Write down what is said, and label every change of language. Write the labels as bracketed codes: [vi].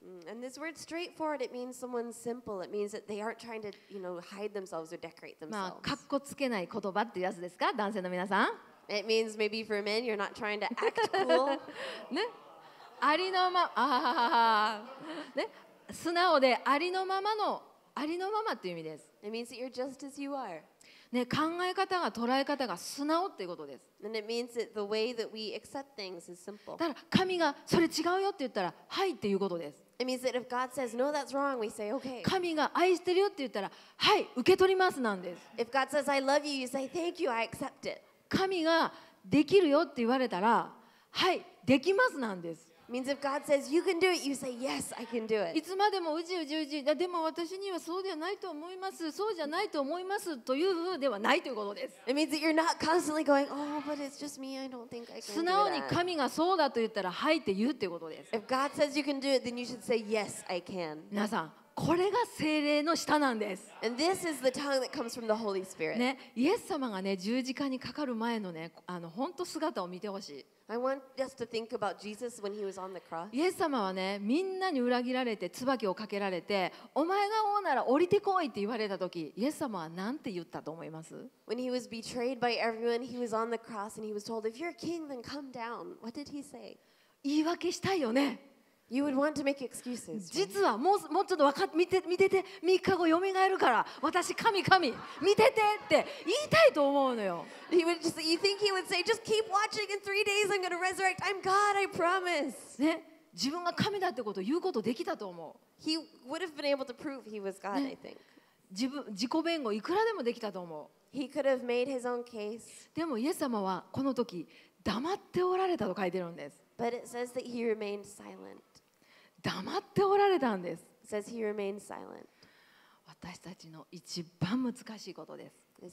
[en] And this word straightforward, it means someone simple. It means that they aren't trying to, you know, hide themselves or decorate themselves. [ja] まあ、かっこつけない言葉ってやつですか、男性の皆さん。 [en] It means maybe for men, you're not trying to act cool. [ja] ね、ありのま、ね、素直でありのままの、ありのままっていう意味です。 [en] It means that you're just as you are. [ja] ね、考え方が捉え方が素直っていうことです。 [en] And it means that the way that we accept things is simple. [ja] だから神がそれ違うよって言ったらはいっていうことです。 [en] It means that if God says no, that's wrong, we say okay. [ja] 神が愛してるよって言ったらはい受け取りますなんです。 [en] If God says I love you, you say thank you, I accept it. [ja] 神ができるよって言われたらはいできますなんです。 [en] Means if God says you can do it, you say yes, I can do it. [ja] いつまでもうじうじうじ、でも私にはそうではないと思います、そうじゃないと思いますというふうではないということです。 [en] It means that you're not constantly going, oh, but it's just me. I don't think I can do that. [ja] 素直に神がそうだと言ったらはいって言うということです。 [en] If God says you can do it, then you should say yes, I can. [ja] 皆さん、これが聖霊の舌なんです。 [en] And this is the tongue that comes from the Holy Spirit. [ja] ね、イエス様がね十字架にかかる前のね本当姿を見てほしい。 [en] I want just to think about Jesus when he was on the cross. [ja] イエス様はね、みんなに裏切られて、つばきをかけられて、お前が王なら降りてこいって言われた時、イエス様はなんて言ったと思います？ [en] When he was betrayed by everyone, he was on the cross and he was told, "If you're king, then come down." What did he say? [ja] 言い訳したいよね。 [en] You would want to make excuses. [ja] 実はもうちょっと分かって見てて三日後よみがえるから私神見ててって言いたいと思うのよ。 [en] He would just, you think he would say, just keep watching in three days. I'm gonna resurrect. I'm God. I promise. [ja] ね、自分が神だってことを言うことできたと思う。 [en] He would have been able to prove he was God.、ね、I think. [ja] 自己弁護いくらでもできたと思う。 [en] He could have made his own case. [ja] でもイエス様はこの時黙っておられたと書いてるんです。 [en] But it says that he remained silent. [ja] 黙っておられたんです。 [en] It says he remained silent. [ja] 私たちの一番難しいことです。